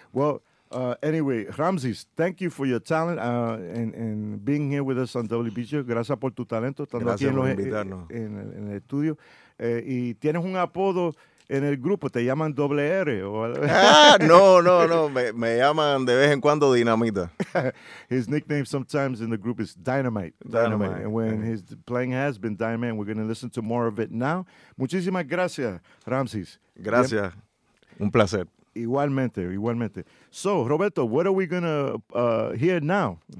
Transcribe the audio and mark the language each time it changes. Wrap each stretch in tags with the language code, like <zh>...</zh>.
<en>Well, anyway, Ramses, thank you for your talent and being here with us on WBG.</en> <es>Gracias por tu talento. Gracias aquí por invitarnos. En el estudio. Y tienes un apodo en el grupo, te llaman Doble R. No. Me llaman de vez en cuando Dinamita.</es> <en>His nickname sometimes in the group is Dynamite. Dynamite. And when his playing has been Dynamite, we're going to listen to more of it now.</en> <es>Muchísimas gracias, Ramses. Gracias. Bien. Un placer. Igualmente.</es> <en>So, Roberto, what are we going to hear now?</en>